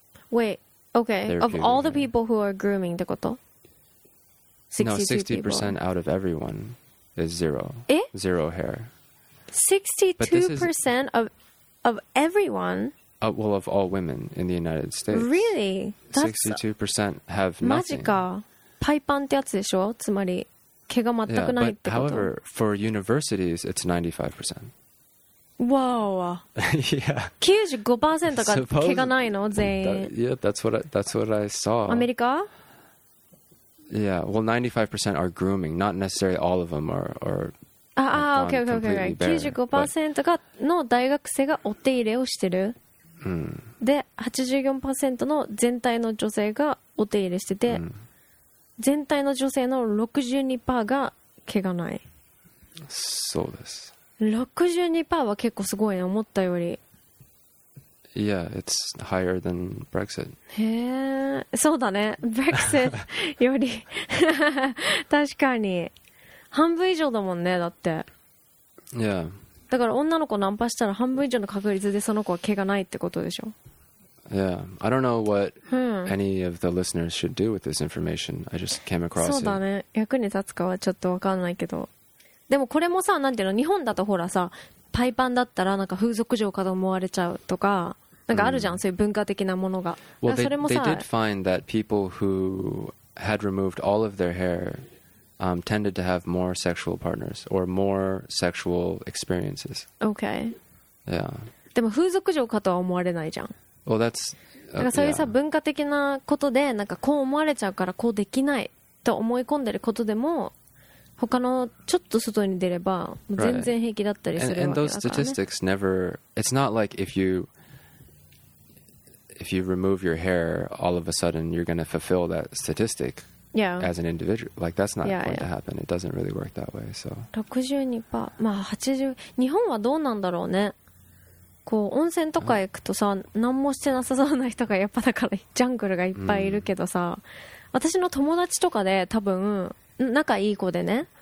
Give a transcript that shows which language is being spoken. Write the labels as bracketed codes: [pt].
[en] Wait, okay. Of all the people who are grooming, [ja] ってこと? [en] No, 60% people. Out of everyone is zero. Eh? Zero hair. 62% of everyone? Well, of all women in the United States. Really? That's 62% have nothing. [ja] マジか。パイパンってやつでしょ?つまり、毛が全くないってこと。 [en] Yeah, but however, for universities, it's 95%. Wow. Yeah. [ja] 95% が毛がないの?全員。 [en] That's what I saw. [ja] アメリカ? [en] Yeah, well, 95% are grooming. Not necessarily all of them are completely bare. [ja] 95% の大学生がお手入れをしてる。で、84% の全体の女性がお手入れしてて、全体の女性の 62% が毛がない。そうです。 62% は結構すごいね、思ったより。 [en] Yeah, it's higher than Brexit. [ja] へえ、そうだね。Brexit より確かに半分以上だもんね。だって。 [en] Yeah. [ja] だから女の子ナンパしたら半分以上の確率でその子は毛がないってことでしょ。 [en] Yeah, I don't know what any of the listeners should do with this information. I just came across. [ja] そうだね。役に立つかはちょっとわかんないけど、でもこれもさ、なんていうの、日本だとほらさ。パイパンだったらなんか風俗嬢かと思われちゃうとか、なんかあるじゃん、そういう文化的なものが。 [en] Well, [ja] それもさ、 [en] they did find that people who had removed all of their hair, tended to have more sexual partners or more sexual experiences. Okay. Yeah. [ja] でも風俗嬢かとは思われないじゃん。 [en] Well, that's. [ja] なんかそういうさ、文化的なことでなんかこう思われちゃうからこうできないと思い込んでることでも。他のちょっと外に出れば全然平気だったりするわけだからね。 [en] And those statistics never, it's not like if you remove your hair, all of a sudden you're going to fulfill that statistic as an individual. Like that's not going to happen. It doesn't really work that way. So [ja] 62%、 まあ80、日本はどうなんだろうね。こう温泉とか行くとさ、何もしてなさそうな人がやっぱ、だからジャングルがいっぱいいるけどさ、私の友達とかで多分仲いい子でね、